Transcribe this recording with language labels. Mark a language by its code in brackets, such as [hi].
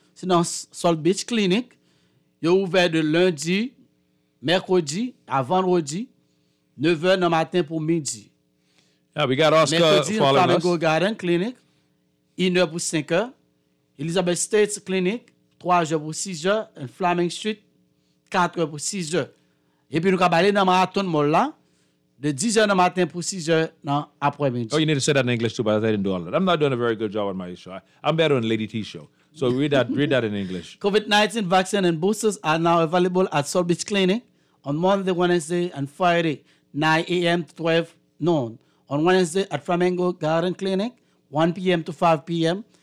[en] It's in Salt Beach Clinic. It's open from [fr] lundi, mercredi, à vendredi, [en] 9h in the morning to [fr] midi. [en] Yeah, we got Oscar [fr] mercredi, [en] following us. Mercredi, Garden Clinic, 1h to 5h. Elizabeth States Clinic, 3h to 6h. And Flaming Street, 4h to 6h. And then you can go to the marathon mall. [fr] De 10h du matin pour 6h après-midi. [en] Oh, you need to say that in English too, but I didn't do all that. I'm not doing a very good job on my show. I'm better on Lady T show. So read that in English. COVID-19 vaccine and boosters are now available at Salt Beach Clinic on Monday, Wednesday, and Friday, 9 a.m. to 12 noon. On Wednesday at Flamingo Garden Clinic, 1 p.m. to 5 p.m.